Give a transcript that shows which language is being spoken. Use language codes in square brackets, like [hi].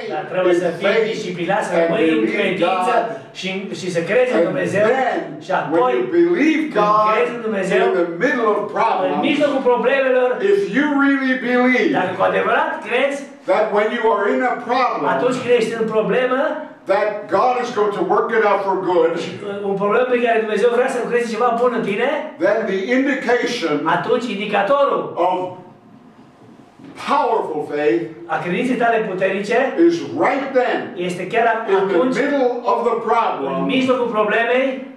[ro] Dar trebuie să fii disciplinat, să rămâi în credință și să crezi în Dumnezeu. Și apoi, când crezi în Dumnezeu, [en] in the middle of problems, [ro] în mijlocul problemelor, [en] if you really believe, [ro] dacă cu adevărat crezi, [en] that when you are in a problem, [ro] atunci când ești în problemă, [en] that God is going to work it out for good. [ro] Un problem pe care Dumnezeu vrea să lucreze ceva bun în tine. [en] Then the indication. [ro] Atunci indicatorul. [en] Of powerful faith. [ro] A credinței tale puternice. [en] Is right then. [ro] Este chiar atunci. [en] In the middle of the problem. [ro] În mijlocul problemei.